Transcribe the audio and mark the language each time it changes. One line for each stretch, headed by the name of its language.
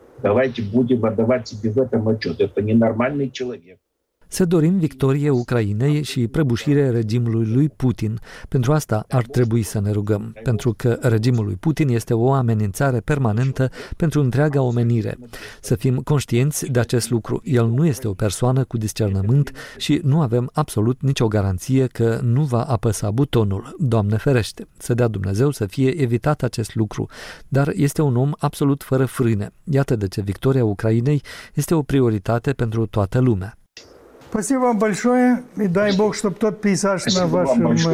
Russian: Давайте будем отдавать себе в этом отчет. Это ненормальный человек.
Romanian: Să dorim victorie Ucrainei și prăbușirea regimului lui Putin. Pentru asta ar trebui să ne rugăm, pentru că regimul lui Putin este o amenințare permanentă pentru întreaga omenire. Să fim conștienți de acest lucru. El nu este o persoană cu discernământ și nu avem absolut nicio garanție că nu va apăsa butonul. Doamne ferește! Să dea Dumnezeu să fie evitat acest lucru. Dar este un om absolut fără frâne. Iată de ce victoria Ucrainei este o prioritate pentru toată lumea.
Russian: Спасибо вам большое, и дай Бог, чтобы тот пейзаж на вашем